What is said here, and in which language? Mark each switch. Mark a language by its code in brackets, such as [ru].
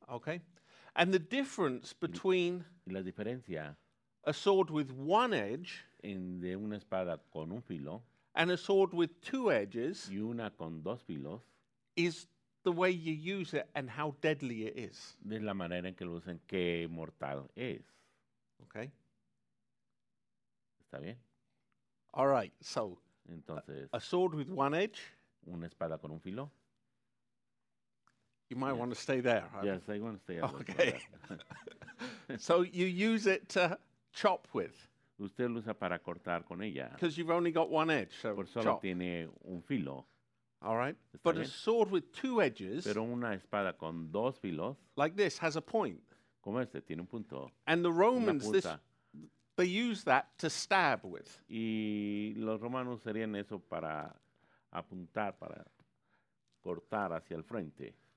[en] Okay. And the difference between [es] la diferencia [en] a sword with one edge [es] en de una espada con un filo [en] and a sword with two edges [es] y una con dos filos [en] is the way you use it and how deadly it is. [es] De la manera en que lo usan, qué mortal es. [en] Okay. [es] ¿Está bien? [en] All right, so [es] entonces, [en] a sword with one edge. [es] Una espada con un filo. [en] You might want to stay there. Yes, I want to stay there. Okay. So you use it to chop with. [es] Usted lo usa para cortar con ella. [en] Because you've only got one edge, so [es] por solo [en] chop. [es] Tiene un filo. [en] All right. [es] ¿Está [en] but [es] bien? [en] A sword with two edges. [es] Pero una espada con dos filos. [en] Like this, has a point. [es] Como este, tiene un punto. [en] And the Romans, this, they use that to stab with. [es] Y los romanos serían eso para apuntar, para cortar hacia el frente.